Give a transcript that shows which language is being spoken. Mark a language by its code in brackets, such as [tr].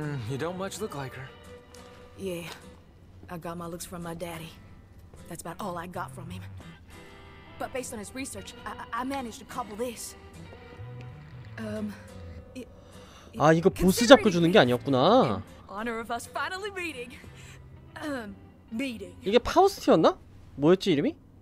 [en] You don't much look like her. Yeah, I got my looks from my daddy. That's about all I got from him. But based on his research, I managed to cobble this. [ko] 아, 이거 보스 잡고 주는 게 아니었구나. [en] Honor of us finally meeting. Meeting. [ko] 이게 파우스트였나? 뭐였지 이름이?